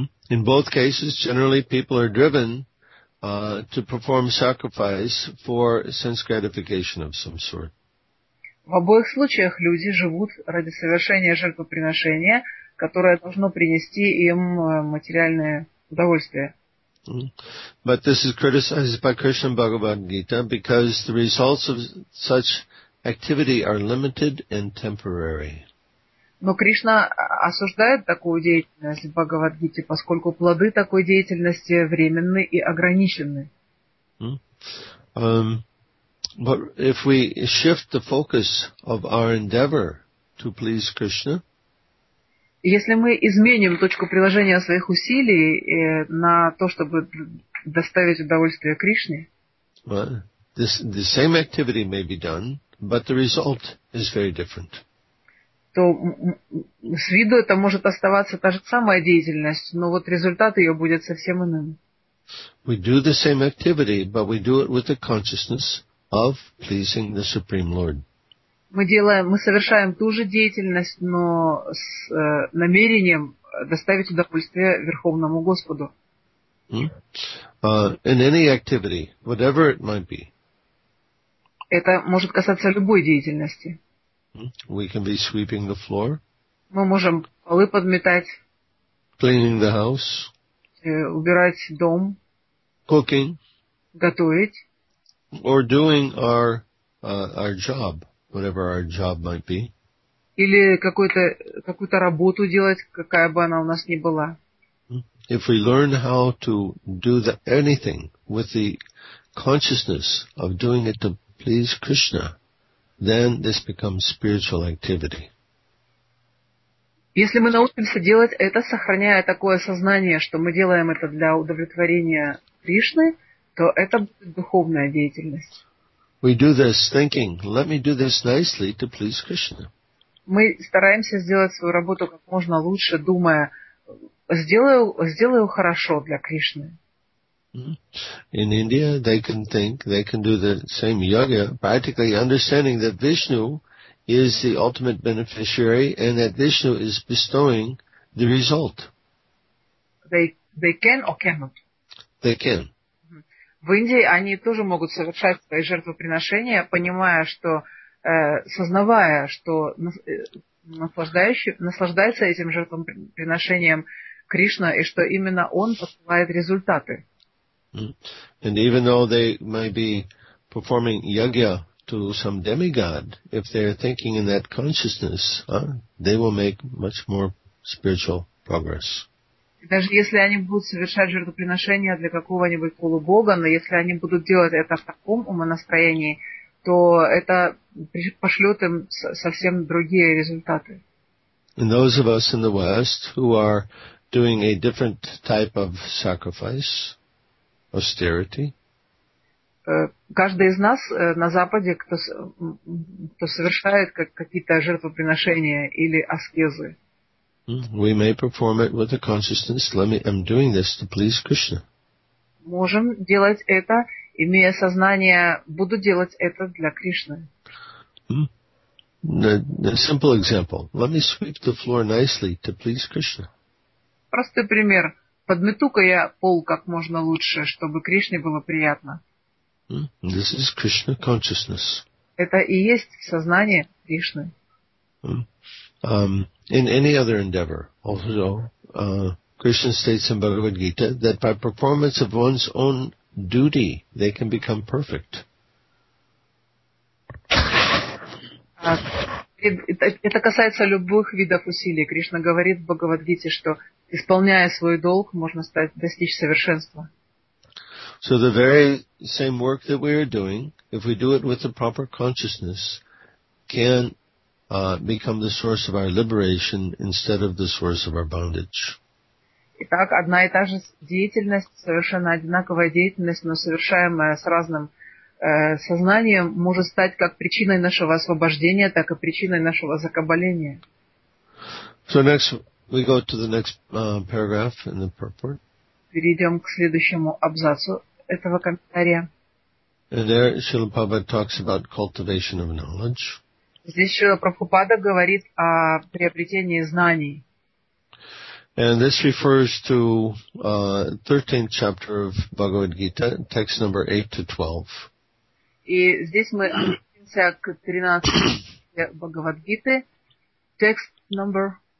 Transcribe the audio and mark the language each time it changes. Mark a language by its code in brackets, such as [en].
[en] In both cases, generally people are driven to perform sacrifice for sense gratification of some sort. [ru] В обоих случаях люди живут ради совершения жертвоприношения, которое должно принести им материальное удовольствие. [en] But this is criticized by Krishna Bhagavad Gita because the results of such activity are limited and temporary. [ru] Но Кришна осуждает такую деятельность в Бхагавад Гите, поскольку плоды такой деятельности временны и ограничены. [en] But if we shift the focus of our endeavor to please Krishna, [ru] если мы изменим точку приложения своих усилий на то, чтобы доставить удовольствие Кришне, [en] the same activity may be done, but the result is very different. [ru] То с виду это может оставаться та же самая деятельность, но вот результат ее будет совсем иным. [en] We do the same activity, but we do it with the consciousness of pleasing the Supreme Lord. [ru] Мы совершаем ту же деятельность, но с намерением доставить удовольствие Верховному Господу. [en] In any activity, whatever it might be. [ru] Это может касаться любой деятельности. [en] We can be sweeping the floor. [ru] Мы можем полы подметать. [en] Cleaning the house. [ru] Убирать дом. [en] Cooking. [ru] Готовить. [en] Or doing our job. Whatever our job might be. [ru] Или какую-то работу делать, какая бы она у нас ни была. [en] if we learn how to do the, anything with the consciousness of doing it to please Krishna, then this becomes spiritual activity. [ru] Если мы научимся делать это, сохраняя такое сознание, что мы делаем это для удовлетворения Кришны, то это будет духовная деятельность. [en] We do this thinking, let me do this nicely to please Krishna. [ru] Мы стараемся сделать свою работу как можно лучше, думая, сделаю хорошо для Кришны. [en] In India, they can think, they can do the same yoga, practically understanding that Vishnu is the ultimate beneficiary and that Vishnu is bestowing the result. They can or cannot? They can. [ru] В Индии они тоже могут совершать свои жертвоприношения, понимая, что, сознавая, что наслаждается этим жертвоприношением Кришна и что именно Он посылает результаты. [en] And even though they may be performing yajna to some demigod, if they're thinking in that consciousness, they will make much more spiritual progress. [ru] Даже если они будут совершать жертвоприношение для какого-нибудь полубога, но если они будут делать это в таком умонастроении, то это пошлет им совсем другие результаты. [en] And those of us in the West who are doing a different type of sacrifice, austerity. [ru] Каждый из нас на Западе, кто совершает какие-то жертвоприношения или аскезы. [en] We may perform it with a consciousness. Let me, I'm doing this to please Krishna. [ru] Можем делать это, имея сознание, буду делать это для Кришны. [en] A simple example. Let me sweep the floor nicely to please Krishna. [ru] Простой пример. Подмету-ка я пол как можно лучше, чтобы Кришне было приятно. [en] This is Krishna consciousness. [ru] Это и есть сознание Кришны. [en] In any other endeavor, also, Krishna states in Bhagavad Gita that by performance of one's own duty, they can become perfect. [ru] Это касается любых видов усилий. Кришна говорит в Бхагавад-гите, что исполняя свой долг, можно достичь совершенства. [en] So the very same work that we are doing, if we do it with the proper consciousness, can become the source of our liberation instead of the source of our bondage. [ru] Итак, одна и та же деятельность, совершенно одинаковая деятельность, но совершаемая с разным сознание может стать как причиной нашего освобождения, так и причиной нашего закабаления. [en] So next, we go to the next paragraph in the purport. [ru] Перейдем к следующему абзацу этого комментария. [en] And there Srila Prabhupada talks about cultivation of knowledge. [ru] Здесь Шрила Прабхупада говорит о приобретении знаний. [en] And this refers to 13th chapter of Bhagavad Gita, text number 8 to 12. [ru] И здесь мы обратимся к 13 Бхагавад-гиты, текст номер